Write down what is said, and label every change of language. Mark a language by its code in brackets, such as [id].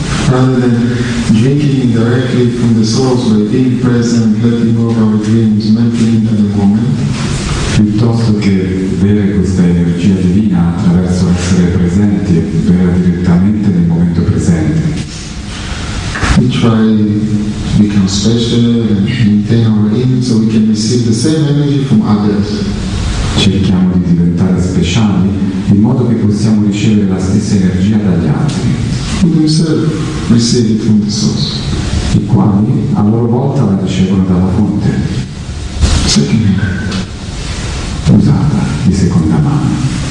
[en] rather than drinking indirectly from the source by being present, letting go of our dreams mentally into the moment. [it] Piuttosto che bere questa energia divina attraverso essere presenti e bere direttamente nel momento presente. [en] We try to become special and maintain our aim so we can receive the same energy from others. [it] Cerchiamo di diventare speciali in modo che possiamo ricevere la stessa energia dagli altri. [en] Who themselves receive it from the source. [it] I quali a loro volta la ricevono dalla fonte. [en] Second. [it] Usata di seconda mano.